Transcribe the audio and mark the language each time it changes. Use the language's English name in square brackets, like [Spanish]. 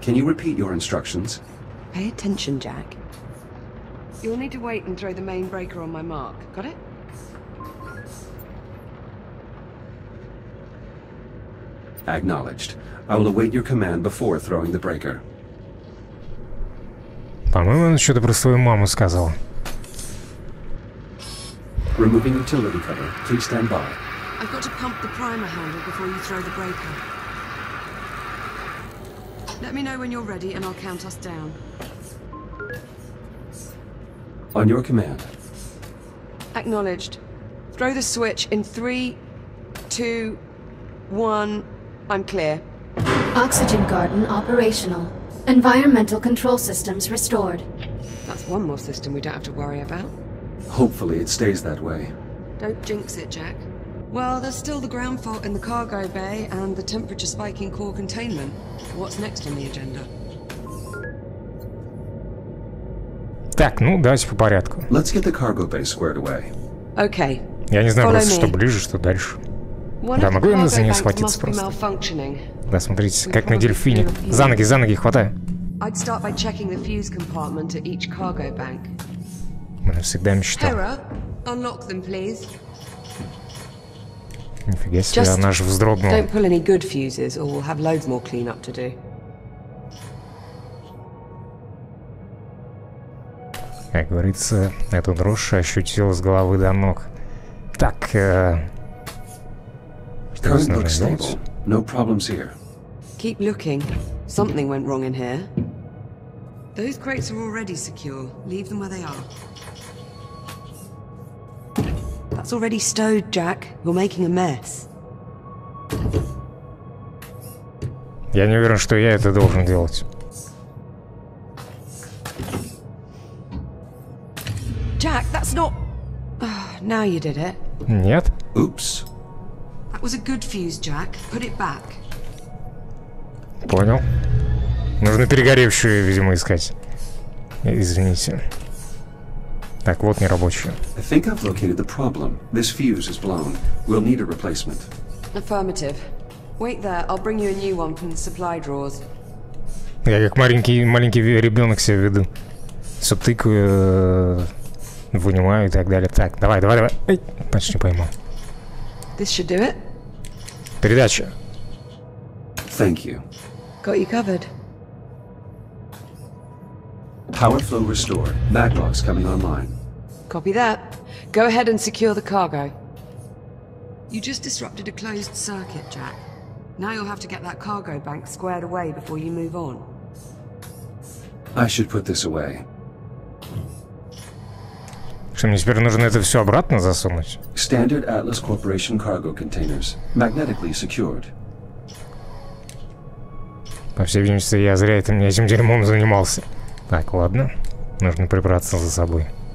[English] Can you repeat your instructions? Pay attention, Jack. You'll need to wait and throw the main breaker on my mark. Got it? Acknowledged. I will await your command before throwing the breaker. [Russian] По-моему, он что-то про свою маму сказал. [English] Removing utility cover. Please stand by. I've got to pump the primer handle before you throw the breaker. Let me know when you're ready and I'll count us down. On your command. Acknowledged. Throw the switch in 3, 2, 1. I'm clear. Oxygen garden operational. Environmental control systems restored. That's one more system we don't have to worry about. Hopefully it stays that way. Don't jinx it, Jack. Well, there's still the ground fault in the cargo bay and the temperature spike in core containment. What's next on the agenda? [Russian] Так, ну, давайте по порядку. [English] Let's get the cargo bay squared away. Okay. [Russian] Я не знаю, [English] follow [Russian] просто, [English] me. [Russian] Что ближе, что дальше. [English] One, [Russian] да, могу я за нее схватиться просто? Да, смотрите, как на дельфине. За ноги, хватай. [English] I'd start by checking the fuse compartment at each cargo bank. [Russian] Мне всегда мечтал. [English] Hera, unlock them, please. [Russian] Нифига себе, [English] just [Russian] она же вздрогнула. [English] Don't pull any good fuses, or we'll have loads more cleanup to do. [Russian] Как говорится, эту дрожь ощутил с головы до ног. Так, что с нами сделать? [English] No problems here. Keep looking. Something went wrong in here. Those crates are already secure. Leave them where they are. That's already stowed, Jack. You're making a mess. [Russian] Я не уверен, что я это должен делать. [English] Jack, that's not... Now you did it. [Russian] Нет. [English] Oops. That was a good fuse, Jack. Put it back. [Russian] Понял. Нужно перегоревшую, видимо, искать. Извините. Так, вот нерабочую. [English] I think I've located the problem. This fuse is blown. We'll need a replacement. Affirmative. Wait there, I'll bring you a new one from the supply drawers. [Russian] Я как маленький ребенок себя веду. Все тыкаю... вынимаю и так далее. Так, давай. Эй, почти поймал. [English] This should do it. [Russian] Передача. [English] Thank you. Got you covered. Power flow restored. Backlogs coming online. Copy that. Go ahead and secure the cargo. You just disrupted a closed circuit, Jack. Now you'll have to get that cargo bank squared away before you move on. I should put this away. [Russian] Что, мне теперь нужно это все обратно засунуть? [English] Standard Atlas Corporation cargo containers. Magnetically secured. [Russian] По всей видимости, я зря этим дерьмом занимался. Так, ладно. Нужно прибраться за собой.